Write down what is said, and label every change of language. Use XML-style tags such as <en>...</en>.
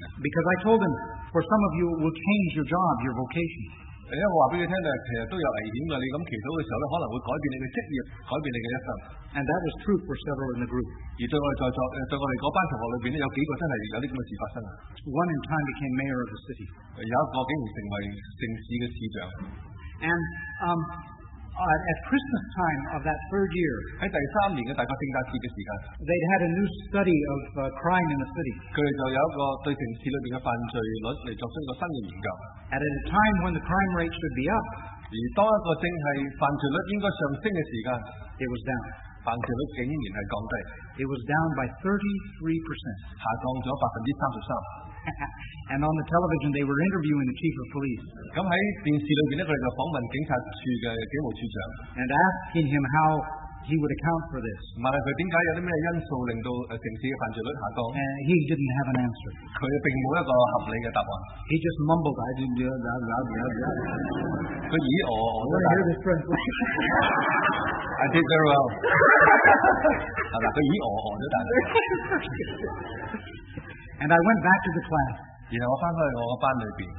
<en>Because I told him, for some of you, it will change your job, your vocation.</en> <yue>因为我话俾佢听咧，其实都有危险嘅。你咁祈祷嘅时候咧，可能会改变你嘅职业，改变你嘅一生。</yue> <en>And that was true for several in the group.</en> <yue>而对我哋在座，对我哋嗰班同学里边咧，有几个真系有啲咁嘅事发生啊。</yue> <en>One in time became mayor of the city.</en> <yue>有一个竟然成为城市嘅市长。</yue> <en>And at Christmas time of that third year,</en> <yue>喺第三年嘅大概圣诞节嘅时间</yue> <en>，they'd had a new study of crime in the city.</en> <yue>佢哋就有一个对城市里边嘅犯罪率嚟作出一个新嘅研究。</yue> <en>At a time when the crime rate should be up,</en> <yue>而当一个正系犯罪率应该上升嘅时间</yue> <en>，it was down.</en> <yue>犯罪率竟然係降低</yue> <en>，it was down by 33%，</en> <yue>下降咗33%。</yue> <en>And on the television, they were interviewing the chief of police.</en> <yue>咁喺電視裏邊咧，佢哋就訪問警察處嘅警務處長。</yue> <en>And asking him how he would account for this.</en> <yue>問佢點解有啲咩因素令到城市嘅犯罪率下降。</yue> <en>And he didn't have an answer.</en> <yue>佢並冇一個合理嘅答案。</yue> <en>He just mumbled, "I didn't do that, that, that, that."</en> <yue>佢咦我我。</yue> <en>I didn't hear this translation. I did very well.</en> <yue>係啦，佢咦我我咗，但係。</yue> <en>And I went back to the class.</en> <yue>然後我翻返去我個班裏邊。</yue>